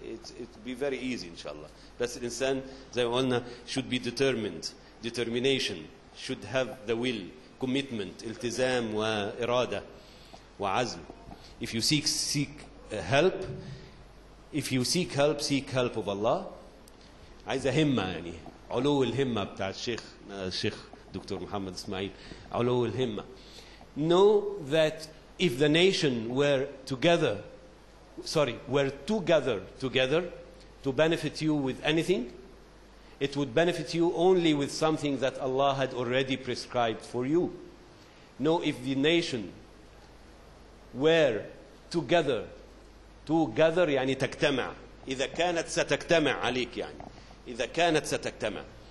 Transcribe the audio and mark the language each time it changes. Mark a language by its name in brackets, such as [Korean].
[English] It be very easy إن شاء الله. [Arabic] بس الإنسان زي ما قلنا [English] should be determined, determination, should have the will, commitment, [Arabic] التزام وإرادة وعزم. [English] If you seek help, if you seek help of Allah. [Arabic] عايزة همة, يعني علو الهمة بتاع الشيخ دكتور محمد إسماعيل, علو الهمة. [English] Know that if the nation were together to benefit you with anything, it would benefit you only with something that Allah had already prescribed for you. Know if the nation were together [Arabic] يعني تجتمع, إذا كانت ستجتمع عليك يعني, إذا كانت ستجتمع.